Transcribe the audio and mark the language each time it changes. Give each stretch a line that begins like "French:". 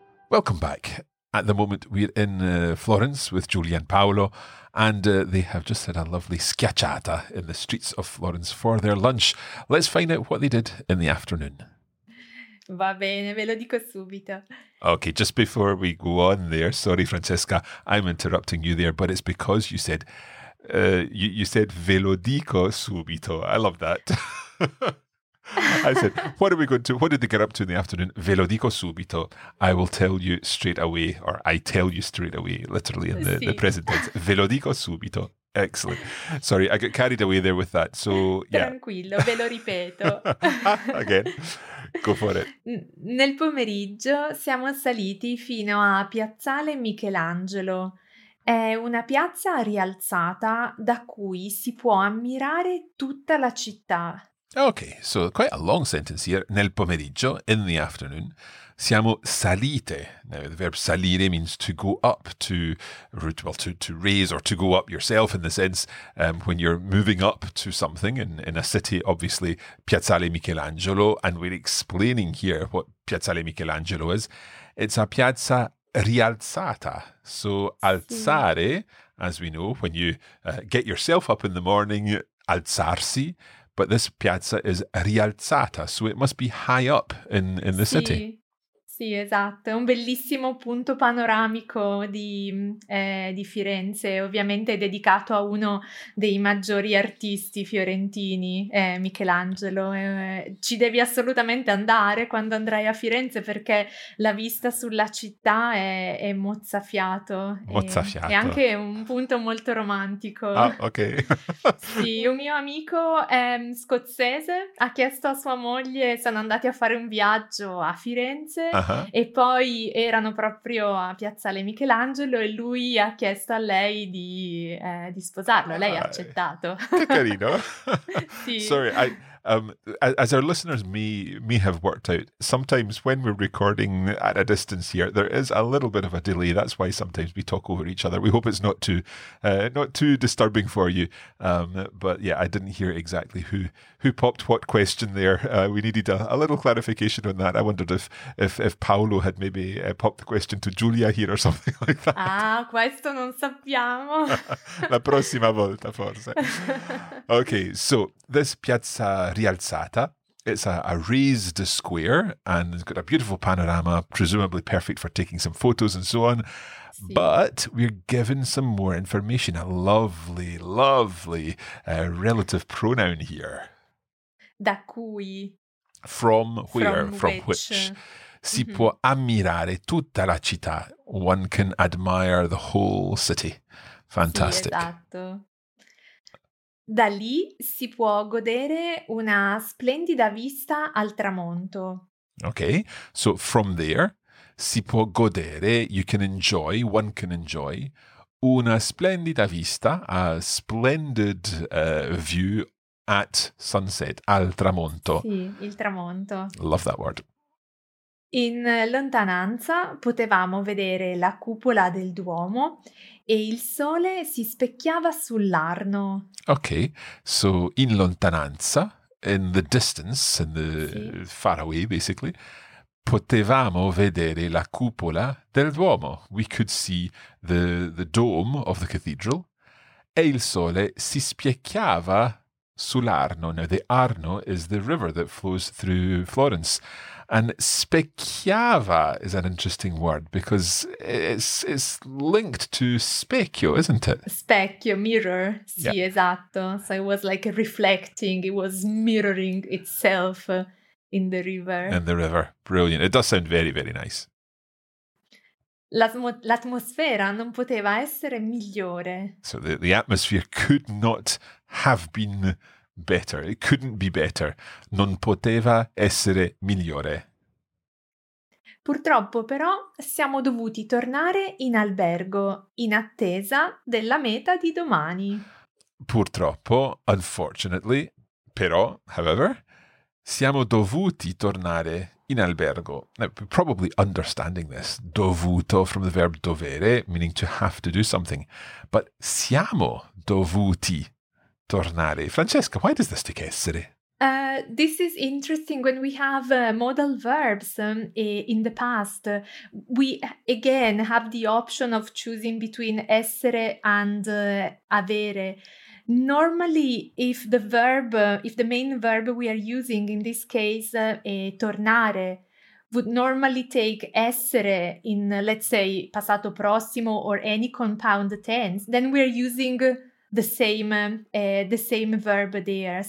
English: Welcome back. At the moment, we're in Florence with Giulia and Paolo, and they have just had a lovely schiacciata in the streets of Florence for their lunch. Let's find out what they did in the afternoon.
Italian: Va bene, ve lo dico subito.
English: Okay, just before we go on there, sorry Francesca, I'm interrupting you there, but it's because you said you said
Italian: ve lo dico subito.
English: I love that. I said, what did they get up to in the afternoon?
Italian: Ve lo dico subito.
English: I will tell you straight away, or I tell you straight away, literally in the present tense.
Italian: Ve lo dico subito.
English: Excellent. Sorry, I got carried away there with that. So yeah.
Italian: Tranquillo, ve lo ripeto.
English: Again. Go for it.
Italian: Nel pomeriggio siamo saliti fino a Piazzale Michelangelo. È una piazza rialzata da cui si può ammirare tutta la città.
English: Okay, so quite a long sentence here.
Italian: Nel pomeriggio,
English: in the afternoon,
Italian: siamo salite.
English: Now, the verb salire means to go up, to raise or to go up yourself in the sense when you're moving up to something in a city, obviously, Piazzale Michelangelo, and we're explaining here what Piazzale Michelangelo is. It's a piazza rialzata. So alzare, as we know, when you get yourself up in the morning, alzarsi. But this piazza is rialzata, so it must be high up in the city.
Italian: Sì, esatto. È un bellissimo punto panoramico di Firenze, ovviamente dedicato a uno dei maggiori artisti fiorentini, Michelangelo. Ci devi assolutamente andare quando andrai a Firenze, perché la vista sulla città è mozzafiato. Mozzafiato. È anche un punto molto romantico. Ah, ok. Sì, un mio amico scozzese ha chiesto a sua moglie se sono andati a fare un viaggio a Firenze. E poi erano proprio a Piazzale Michelangelo e lui ha chiesto a lei di sposarlo. Lei ha accettato. Che carino. Sì.
English: Sorry, as our listeners may have worked out, sometimes when we're recording at a distance here, there is a little bit of a delay. That's why sometimes we talk over each other. We hope it's not too disturbing for you. But yeah, I didn't hear exactly who popped what question there. We needed a little clarification on that. I wondered if Paolo had maybe popped the question to Giulia here or something like that.
Italian: Ah, questo non sappiamo. La prossima volta, forse.
English: Okay, so this
Italian: piazza rialzata.
English: It's a raised square and it's got a beautiful panorama, presumably perfect for taking some photos and so on.
Italian: Sì.
English: But we're given some more information, a lovely, lovely relative pronoun here.
Italian: Da cui?
English: From where? From which?
Italian: Si mm-hmm. può ammirare tutta la città.
English: One can admire the whole city. Fantastic.
Italian: Sì, esatto. Da lì si può godere una splendida vista al tramonto.
English: Okay, so from there,
Italian: si può godere,
English: you can enjoy, one can enjoy,
Italian: una splendida vista,
English: a splendid view at sunset,
Italian: al tramonto. Sì, il tramonto.
English: Love that word.
Italian: In lontananza potevamo vedere la cupola del Duomo e il sole si specchiava sull'Arno.
English: Okay, so
Italian: in lontananza,
English: in the distance, in the
Italian: sì.
English: far away basically,
Italian: potevamo vedere la cupola del Duomo.
English: We could see the dome of the cathedral.
Italian: E il sole si specchiava sull'Arno.
English: Now, the Arno is the river that flows through Florence. And specchiava is an interesting word because it's linked to specchio, isn't it? Specchio, mirror.
Italian: Sì,
English: yeah.
Italian: Esatto.
English: So it was like reflecting, it was mirroring itself in the river. In the river. Brilliant. It does sound very, very nice.
Italian: L'atmosfera non poteva essere migliore.
English: So the atmosphere could not have been better. It couldn't be better.
Italian: Non poteva essere migliore. Purtroppo, però, siamo dovuti tornare in albergo in attesa della meta di domani. Purtroppo,
English: unfortunately,
Italian: però,
English: however,
Italian: siamo dovuti tornare in albergo.
English: Now, probably understanding this, dovuto from the verb dovere, meaning to have to do something. But
Italian: siamo dovuti tornare.
English: Francesca, why does this take essere? This is interesting when we have modal verbs in the past. We again have the option of choosing between essere and avere. Normally, if the verb, if the main verb we are using in this case, tornare, would normally take essere in, let's say, passato prossimo or any compound tense, then we are using the same verb there.